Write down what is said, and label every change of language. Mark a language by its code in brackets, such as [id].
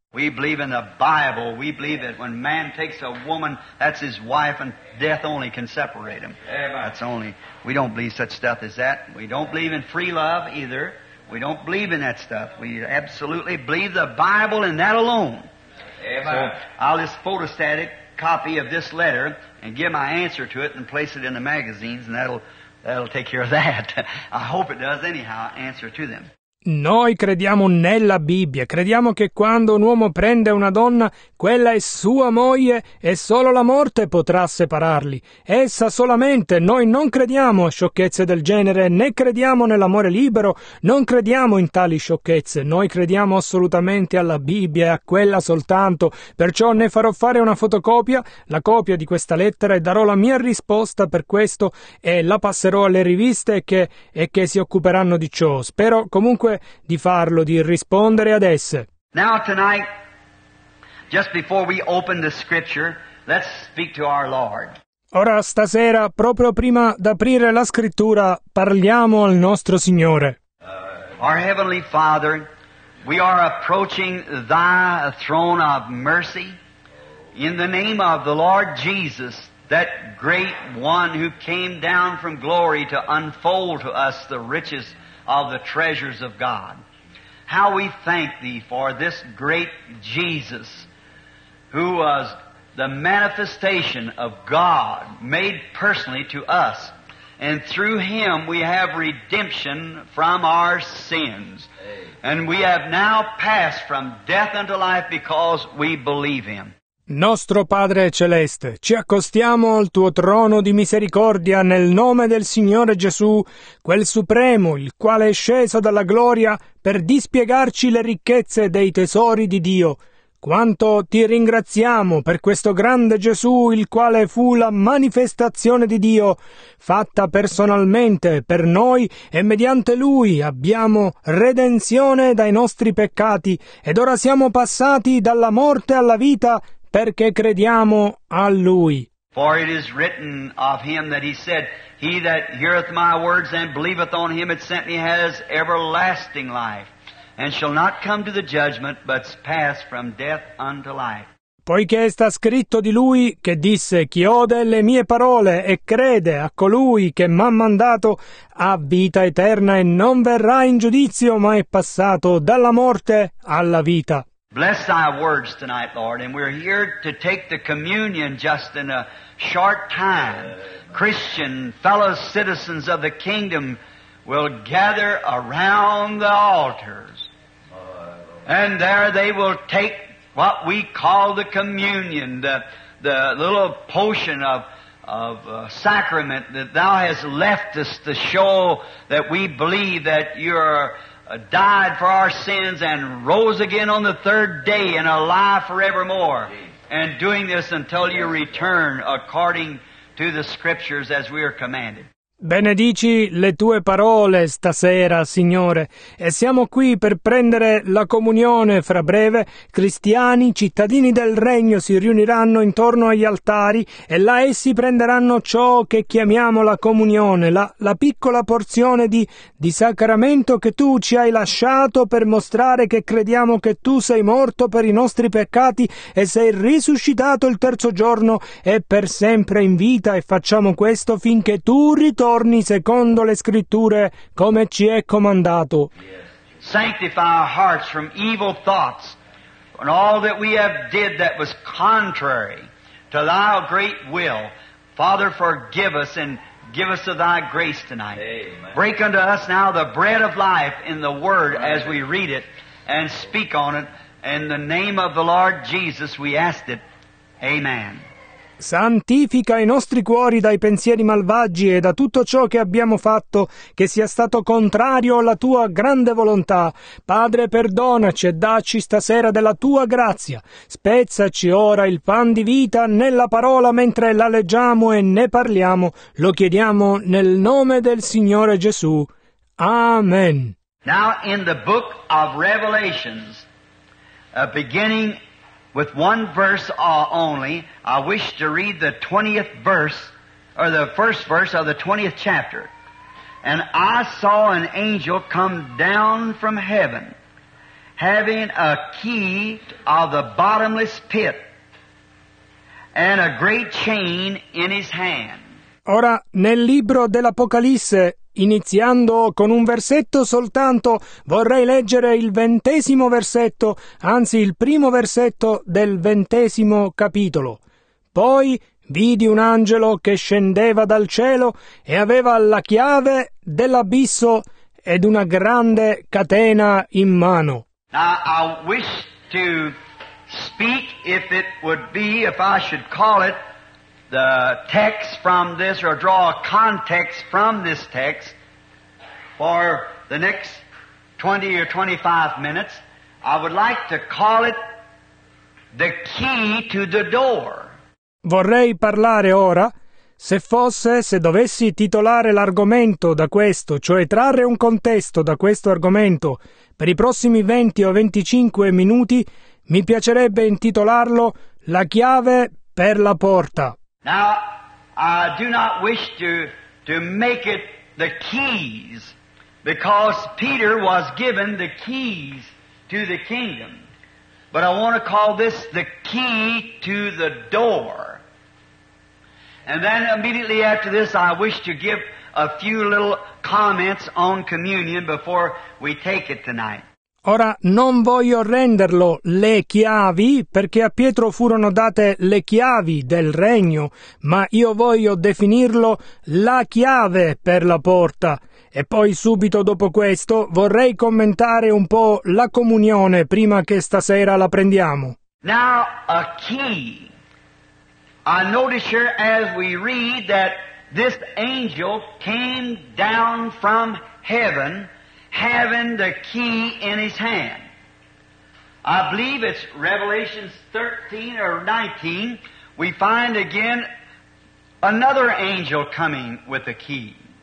[en] We believe in the Bible. We believe that when man takes a woman, that's his wife, and death only can separate him. That's only. We don't believe such stuff as that. We don't believe in free love either. We don't believe in that stuff. We absolutely believe the Bible and that alone. Amen. So I'll just photostatic copy of this letter and give my answer to it and place it in the magazines, and that'll take care of that. I hope it does anyhow, answer to them. [it] Noi crediamo nella Bibbia, crediamo che quando un uomo prende una donna, quella è sua moglie e solo la morte potrà separarli. Essa solamente. Noi non crediamo a sciocchezze del genere, né crediamo nell'amore libero, non crediamo in tali sciocchezze. Noi crediamo assolutamente alla Bibbia e a quella soltanto. Perciò ne farò fare una fotocopia, la copia di questa lettera, e darò la mia risposta per questo e la passerò alle riviste che si occuperanno di ciò. Spero comunque di farlo, di rispondere ad esse. [en] Now tonight, just before we open the scripture, let's speak to our Lord. [it] Ora stasera, proprio prima d'aprire la scrittura, parliamo al nostro Signore. [en] Our heavenly Father, we are approaching thy throne of mercy in the name of the Lord Jesus, that great one who came down from glory to unfold to us the riches of the treasures of God. How we thank thee for this great Jesus, who was the manifestation of God made personally to us, and through him we have redemption from our sins, and we have now passed from death unto life because we believe him. [it] Nostro Padre Celeste, ci accostiamo al tuo trono di misericordia nel nome del Signore Gesù, quel Supremo, il quale è sceso dalla gloria per dispiegarci le ricchezze dei tesori di Dio. Quanto ti ringraziamo per questo grande Gesù, il quale fu la manifestazione di Dio, fatta personalmente per noi, e mediante Lui abbiamo redenzione dai nostri peccati, ed ora siamo passati dalla morte alla vita, perché crediamo a Lui. [en] For it is written of him that he said, he that heareth my words and believeth on him that sent me has everlasting life, and shall not come to the judgment, but pass from death unto life. [it] Poiché sta scritto di Lui che disse, chi ode le mie parole e crede a colui che m'ha mandato ha vita eterna e non verrà in giudizio, ma è passato dalla morte alla vita. [en] Bless thy words tonight, Lord, and we're here to take the communion just in a short time. Christian fellow citizens of the kingdom will gather around the altars, and there they will take what we call the communion, the little potion of sacrament that thou hast left us to show that we believe that you're died for our sins and rose again on the third day and alive forevermore, and doing this until you return according to the scriptures as we are commanded. [it] Benedici le tue parole stasera, Signore, e siamo qui per prendere la comunione fra breve. Cristiani, cittadini del regno, si riuniranno intorno agli altari e là essi prenderanno ciò che chiamiamo la comunione, la piccola porzione di sacramento che tu ci hai lasciato per mostrare che crediamo che tu sei morto per i nostri peccati e sei risuscitato il terzo giorno e per sempre in vita, e facciamo questo finché tu torni secondo le scritture come ci è comandato. [en] Sanctify our hearts from evil thoughts and all that we have did that was contrary to thy great will. Father, forgive us and give us of thy grace tonight. Amen. Break unto us now the bread of life in the word. Amen. As we read it and speak on it. In the name of the Lord Jesus we ask it. Amen. [it] Santifica i nostri cuori dai pensieri malvagi e da tutto ciò che abbiamo fatto che sia stato contrario alla tua grande volontà. Padre, perdonaci e dacci stasera della tua grazia. Spezzaci ora il pan di vita nella parola mentre la leggiamo e ne parliamo. Lo chiediamo nel nome del Signore Gesù. Amen. [en] Now in the book of Revelations, beginning with one verse only, I wish to read the 20th verse, or the first verse of the 20th chapter. And I saw an angel come down from heaven, having a key of the bottomless pit, and a great chain in his hand. [it] Ora, nel libro dell'Apocalisse, iniziando con un versetto soltanto, vorrei leggere il 20° versetto, anzi il 1° versetto del 20° capitolo. Poi vidi un angelo che scendeva dal cielo e aveva la chiave dell'abisso ed una grande catena in mano. [en] Now I wish to speak, if it would be, if I should call it, the text from this, or draw a context from this text, for the next 20 or 25 minutes, I would like to call it the key to the door. [it] Vorrei parlare ora, se dovessi titolare l'argomento da questo, cioè trarre un contesto da questo argomento, per i prossimi 20 o 25 minuti, mi piacerebbe intitolarlo La chiave per la porta. [en] Now, I do not wish to make it the keys, because Peter was given the keys to the kingdom. But I want to call this the key to the door. And then immediately after this, I wish to give a few little comments on communion before we take it tonight. [it] Ora, non voglio renderlo le chiavi, perché a Pietro furono date le chiavi del regno, ma io voglio definirlo la chiave per la porta. E poi, subito dopo questo, vorrei commentare un po' la comunione, prima che stasera la prendiamo. [en] Now, a key. I notice here as we read that this angel came down from heaven, having the key in his hand. I believe it's Revelation 13 or 19, we find again another angel coming with a key.